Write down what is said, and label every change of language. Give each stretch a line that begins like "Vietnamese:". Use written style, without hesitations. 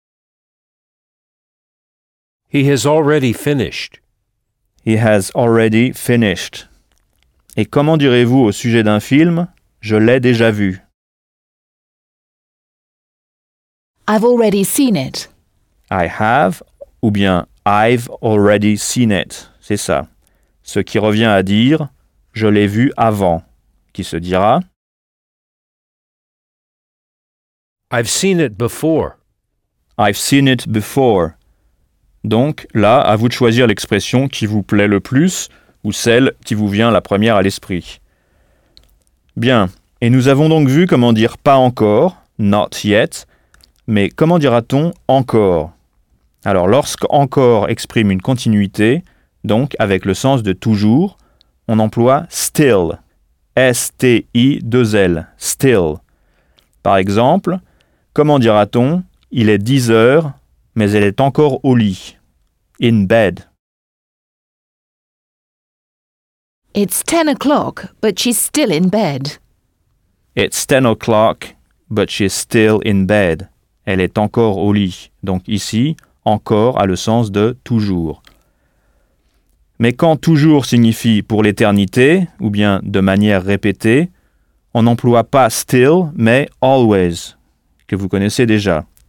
English: « He has already finished ». He has already finished.
French: Et comment direz-vous au sujet d'un film « je l'ai déjà vu » ?
English: I've already seen it. I have,
French: ou bien
English: I've already seen it,
French: c'est ça. Ce qui revient à dire, je l'ai vu avant, qui se dira.
English: I've seen it before. I've seen it before.
French: Donc, là, à vous de choisir l'expression qui vous plaît le plus, ou celle qui vous vient la première à l'esprit. Bien, et nous avons donc vu comment dire pas encore,
English: not yet,
French: mais comment dira-t-on encore ? Alors, lorsque « encore » exprime une continuité, donc avec le sens de « toujours », on emploie « still », S-T-I-2-L, « still ». Par exemple, comment dira-t-on « il est 10 heures, mais elle est encore au lit »«
English: in bed ». It's 10 o'clock, but she's still in bed. It's 10 o'clock, but she's still in bed.
French: Elle est encore au lit, donc ici « encore » a le sens de « toujours ». Mais quand « toujours » signifie « pour l'éternité » ou bien « de manière répétée », on n'emploie pas « still » mais « always » que vous connaissez déjà.